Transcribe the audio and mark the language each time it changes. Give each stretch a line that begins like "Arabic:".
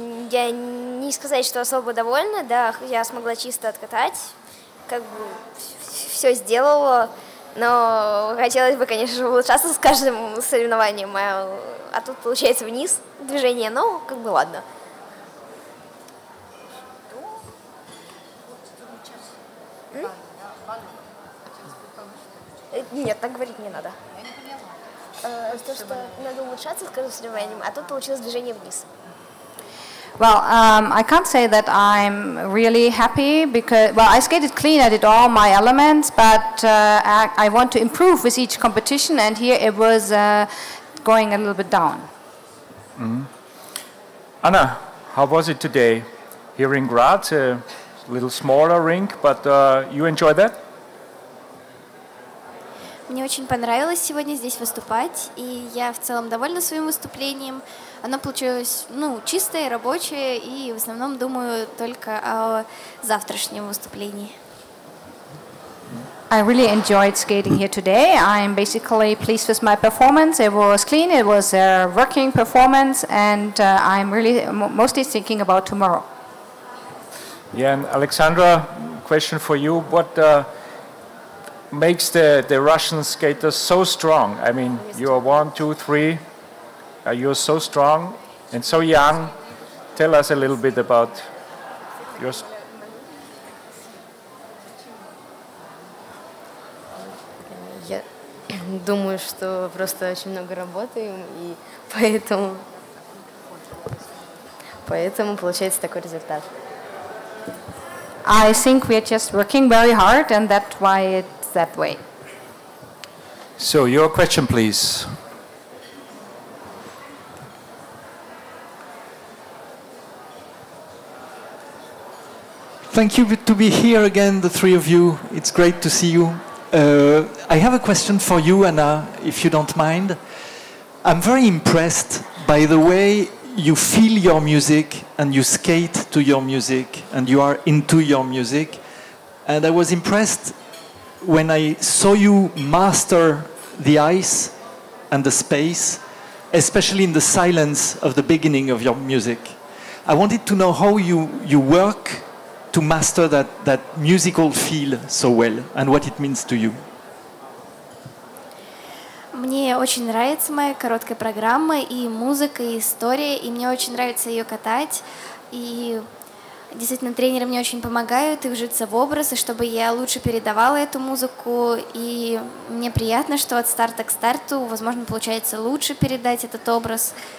Russian: Я не сказать, что особо довольна, да, я смогла чисто откатать, как бы все сделала, но хотелось бы, конечно же, улучшаться с каждым соревнованием, а тут получается вниз движение, но как бы ладно. Нет, так говорить не надо. То, что надо улучшаться с каждым соревнованием, а тут получилось движение вниз.
English: Well, I can't say that I'm really happy because, well, I skated clean, I did all my elements, but I want to improve with each competition, and here it was going a little bit down. Mm-hmm. Anna, how was it today here in Graz? A little smaller rink, but you enjoyed that?
Russian: Мне очень понравилось сегодня здесь выступать, и я в целом довольна своим выступлением. Оно получилось, ну, чистое, рабочее, и в основном думаю только о завтрашнем выступлении.
English: I really enjoyed skating here today. I'm basically pleased with my performance. It was clean, it was a working performance, and I'm really mostly thinking about tomorrow. Yeah, and Alexandra, question for you. What makes the Russian skaters so strong? I mean, you are 1, 2, 3. You're so strong and so young. Tell us a little bit about your...
Russian: Я думаю, что просто очень много работаем, и поэтому получается такой результат.
English: I think we are just working very hard, and that's why it's that way. So, your question, please. Thank you to be here again, the three of you. It's great to see you. I have a question for you, Anna, if you don't mind. I'm very impressed by the way you feel your music and you skate to your music and you are into your music. And I was impressed when I saw you master the ice and the space, especially in the silence of the beginning of your music. I wanted to know how you work to master that musical feel so well and what it means to you.
Russian: Мне очень нравится моя короткая программа и музыка, и история, и мне очень нравится ее катать. И действительно, тренеры мне очень помогают и вжиться в образ, и чтобы я лучше передавала эту музыку. И мне приятно, что от старта к старту, возможно, получается лучше передать этот образ.